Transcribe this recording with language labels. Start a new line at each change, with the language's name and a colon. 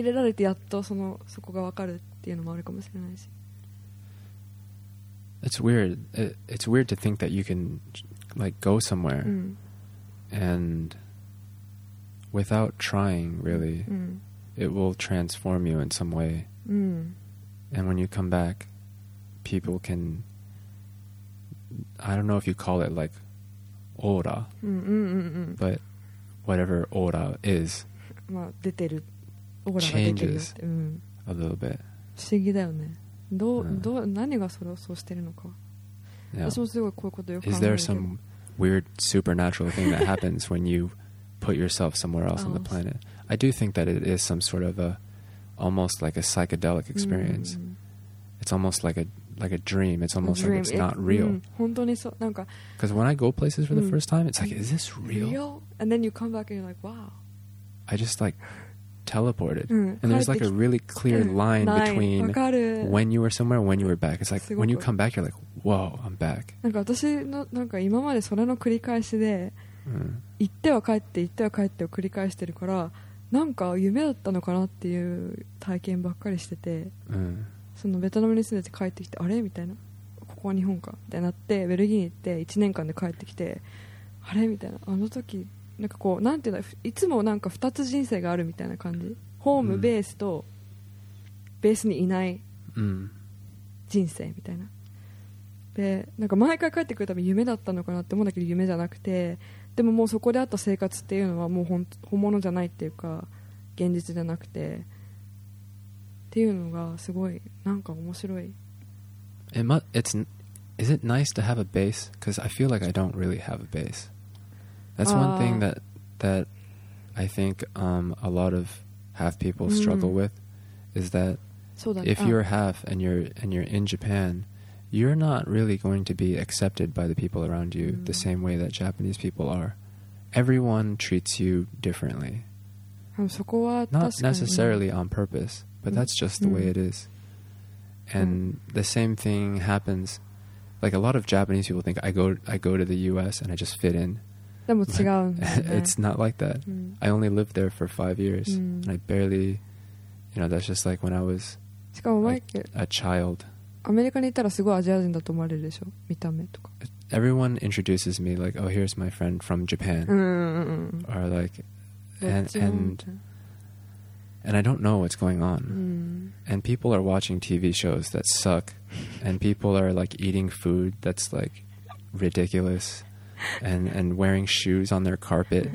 Japanese: でも私はアメリカに住んだことないから、よくなんかアメリカンだねとか言われてもアメリカに住んだことないんだけどみたいなのはあるけど、だからその、まあそれで多分服装とかってすごい見た目に影響するから、それなのかなって思うけど、まあ服装も文化だしね。そのそこまで取り入れられてやっとそのそこが分かるっていうのもあるかもしれないし。
English: It's weird to think that you can go somewhere and without trying really it will transform you in some way and when you come back people can I don't know if you call it like aura but whatever aura is changes a little bit
Japanese: 不思議だよね どう、何がそれをそうしてるのか
English: Is there some weird supernatural thing that happens when you put yourself somewhere else on the planet? I do think that it is some sort of a almost like a psychedelic experience. It's almost like a dream. It's almost like it's not real. Because when I go places for the first time, it's like, is this real? And then you come back and you're like, wow. I just like teleported and there's like a really clear line between when you were somewhere and when you were back it's like when you come back you're like whoa I'm back
Japanese: なんか私のなんか今までそれの繰り返しで 行っては帰って行っては帰ってを繰り返してるから、なんか夢だったのかなっていう体験ばっかりしてて そのベトナムに住んでて帰ってきて、あれみたいな、ここは日本かってなって、ベルギーに行って 1年間で帰ってきて、あれみたいな、あの時なんかこうなんていうの、いつもなんか2つ人生があるみたいな感じ ホームベースとベースにいない人生みたいな。で、なんか毎回帰ってくるたび夢だったのかなって思うんだけど夢じゃなくて、でももうそこであった生活っていうのはもう本物じゃないっていうか、現実じゃなくてっていうのがすごいなんか面白い。
English: Is it nice to have a base? Because I feel like I don't really have a base. That's one thing that I think a lot of half people struggle with is that if you're half and you're in Japan you're not really going to be accepted by the people around you the same way that Japanese people are everyone treats you differently not necessarily on purpose but that's just the way it is and the same thing happens like a lot of Japanese people think I go to the US and I just fit in it's not like that I only lived there for 5 years and I barely you know that's just like when I was like a child
Japanese: アメリカに行ったらすごいアジア人だと思われるでしょ見た目とか
English: everyone introduces me like oh here's my friend from Japan or like and I don't know what's going on and people are watching TV shows that suck and people are like eating food that's like ridiculous and wearing shoes on their carpet.